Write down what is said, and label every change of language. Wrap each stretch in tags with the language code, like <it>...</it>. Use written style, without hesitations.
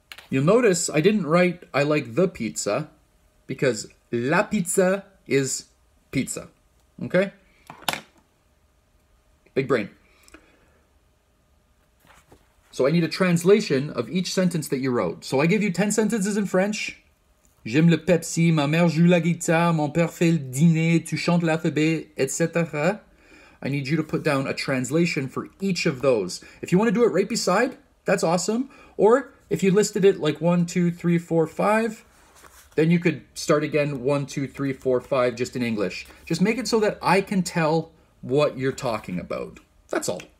<en>You'll notice I didn't write I like the pizza because la pizza is pizza. Okay? Big brain. So I need a translation of each sentence that you wrote. So I give you 10 sentences in French.</en> <fr>J'aime le Pepsi, ma mère joue la guitare, mon père fait le dîner, tu chantes l'alphabet, etc.</fr> <en>I need you to put down a translation for each of those. If you want to do it right beside, that's awesome. Or if you listed it like 1, 2, 3, 4, 5, then you could start again 1, 2, 3, 4, 5 just in English. Just make it so that I can tell what you're talking about. That's all.</en>